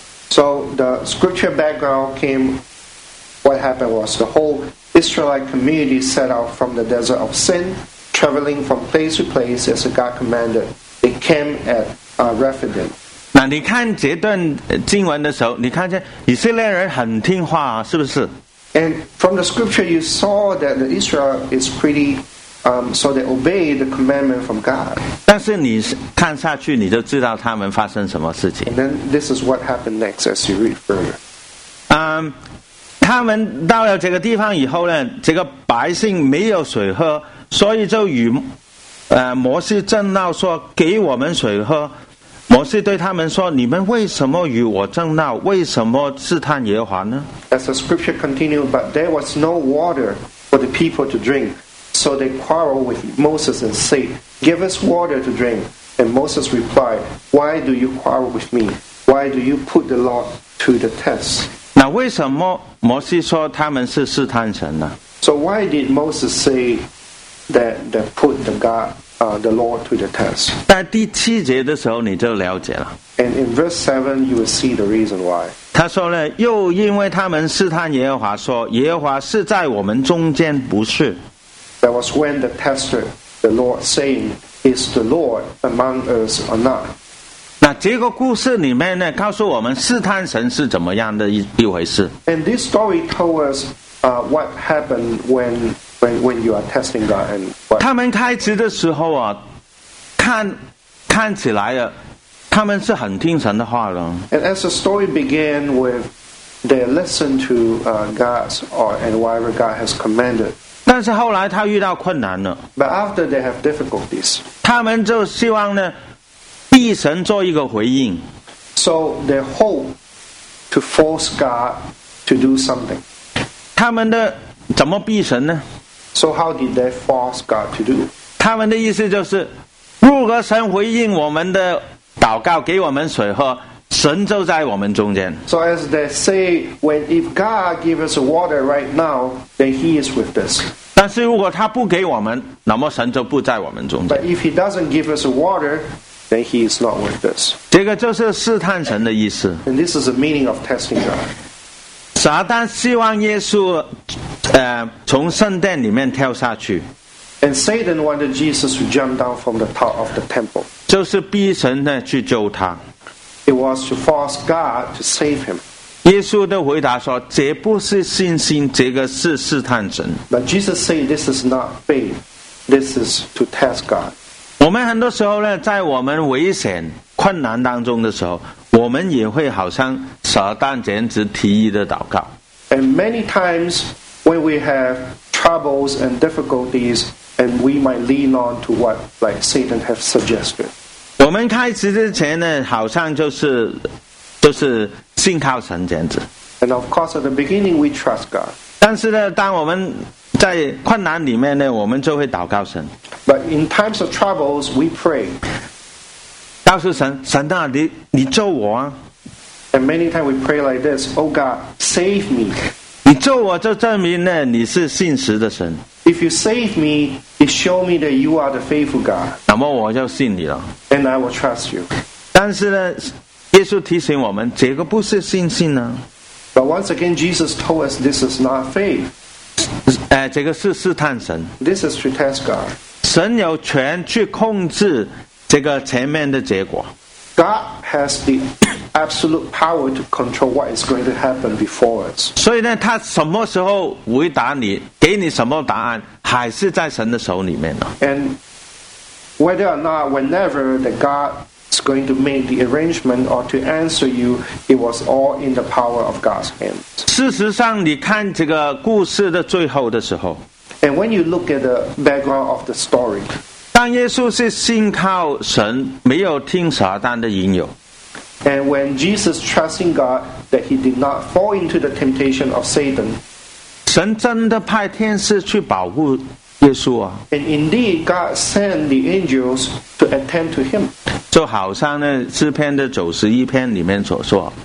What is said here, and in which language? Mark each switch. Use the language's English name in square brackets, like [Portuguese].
[English] So the scripture background came, what happened was the whole Israelite community set out from the desert of Sin, traveling from place to place as God commanded. They came at Rephidim. [Chinese] 那你看这段经文的时候，你看见以色列人很听话，是不是？ [English] And from the scripture you saw that the Israel is pretty, so they obey the commandment from God. [Chinese] 但是你看下去，你就知道他们发生什么事情。 [English] And then this is what happened next as you read further. [Chinese] 他们到了这个地方以后呢，这个百姓没有水喝，所以就与摩西争闹说，给我们水喝。摩西对他们说，你们为什么与我争闹，为什么试探耶和华呢？ [English] As the scripture continued, but there was no water for the people to drink. So they quarreled with Moses and said, give us water to drink. And Moses replied, why do you quarrel with me? Why do you put the law to the test? [Chinese] 那为什么摩西说他们是试探神呢？ [English] So why did Moses say that they put the God the Lord to the test. [Chinese] 在第七节的时候你就了解了。 [English] And in verse 7 you will see the reason why. [Chinese] 他说呢，又因为他们试探耶和华说，耶和华是在我们中间不是。 [English] That was when the tester, the Lord saying, is the Lord among us or not? [Chinese] 那这个故事里面呢，告诉我们试探神是怎么样的一回事。 [English] And this story told us what happened when you are testing God and what. [Chinese] 他们开始的时候啊，看起来啊，他们是很听神的话的。 [English] And as the story began with they listen to God's or and whatever God has commanded. [Chinese] 但是后来他遇到困难了。 [English] But after they have difficulties. [Chinese] 他们就希望呢，替神做一个回应。 [English] So they hope to force God to do something. [Chinese] 他们的怎么避神呢？ [English] So how did they force God to do? [Chinese] 他们的意思就是，如果神回应我们的祷告，给我们水喝，神就在我们中间。 [English] So as they say, when if God gives us water right now, then He is with us. [Chinese] 但是如果他不给我们，那么神就不在我们中间。 [English] But if He doesn't give us water, then He is not with us. [Chinese] 这个就是试探神的意思。 [English] And this is the meaning of testing God. [Chinese] 撒旦希望耶稣从圣殿里面跳下去。 [English] And Satan wanted Jesus to jump down from the top of the temple. [Chinese] 就是逼神呢去救他。 [English] It was to force God to save him. [Chinese] 耶稣的回答说，这不是信心，这个是试探神。 [English] But Jesus said, this is not faith. This is to test God. [Chinese] 我们很多时候呢，在我们危险困难当中的时候，我们也会好像撒旦简直提议的祷告。 [English] And many times when we have troubles and difficulties, and we might lean on to what like Satan has suggested. [Chinese] 我们开始之前呢，好像就是信靠神简直。 [English] And of course, at the beginning, we trust God. [Chinese] 但是呢，当我们在困难里面呢，我们就会祷告神。 [English] But in times of troubles, we pray. [Chinese] 告诉神，神啊，你救我啊。 [English] And many times we pray like this, Oh God, save me. [Chinese] 你救我就证明呢，你是信实的神。 [English] If you save me, it show me that you are the faithful God. [Chinese] 那么我就信你了。 [English] And I will trust you. [Chinese] 但是呢，耶稣提醒我们，这个不是信心呢。 [English] But once again, Jesus told us this is not faith. [Chinese] 这个是试探神。 [English] This is to test God. [Chinese] 神有权去控制这个前面的结果。 [English] God has the absolute power to control what is going to happen before us. [Chinese] 所以呢，他什么时候回答你，给你什么答案，还是在神的手里面呢。 [English] And whether or not, whenever that God is going to make the arrangement or to answer you, it was all in the power of God's hands. [Chinese] 事实上，你看这个故事的最后的时候。 [English] And when you look at the background of the story, [Chinese] 当耶稣是信靠神，没有听撒旦的引诱。 [English] And when Jesus trusting God, that he did not fall into the temptation of Satan. [Chinese] 神真的派天使去保护耶稣啊。 [English] And indeed, God sent the angels to attend to him. [Chinese] 就好像呢，诗篇的九十一篇里面所说。